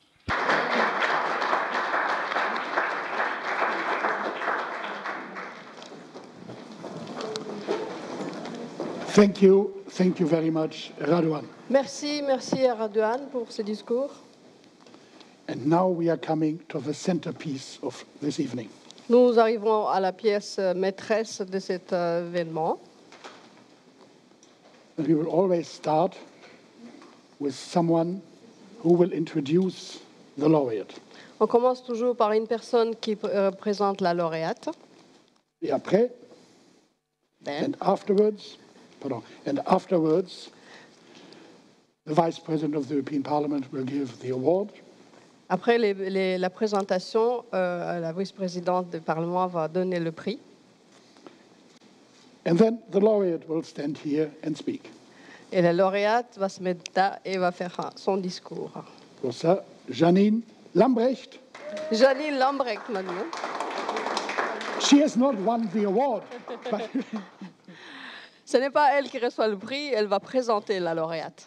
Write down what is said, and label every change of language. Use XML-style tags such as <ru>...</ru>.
<en>Thank you. Thank you very much, Radouan.</en> <fr>Merci à Radouan pour ce discours.</fr> <en>And now we are coming to the centerpiece of this evening.</en> <fr>Nous arrivons à la pièce maîtresse de cet événement.</fr> <en>And we will always start with someone who will introduce the laureate.</en> <fr>On commence toujours par une personne qui présente la lauréate. Et après,</fr> <en>then. And afterwards, the Vice President of the European Parliament will give the award.</en> <fr>Après la présentation, la vice-présidente du Parlement va donner le prix.</fr> <en>And then the laureate will stand here and speak.</en> <fr>Et la lauréate va se mettre là et va faire son discours. Pour ça, Janine Lambrecht. Janine Lambrecht, madame.</fr> <en>She has not won the award. But</en> <fr>ce n'est pas elle qui reçoit le prix, elle va présenter la lauréate.</fr>